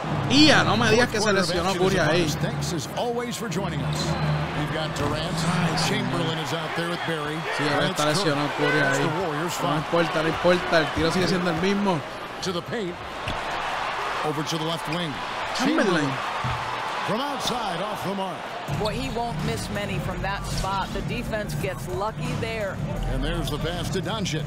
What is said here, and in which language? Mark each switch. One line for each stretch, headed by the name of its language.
Spanish: Ia, no me digas que se lesionó Curry ahí.
English: Thanks as always for joining us. We've got Durant, Chamberlain is out there with Barry.
Spanish: Sí, está lesionado Curry ahí. No importa, el tiro sigue siendo el mismo.
English: To the paint. Over to the left wing. Chamberlain. From outside, off the mark. Boy, he won't miss many from that spot. The defense gets lucky there. And there's the pass to Doncic.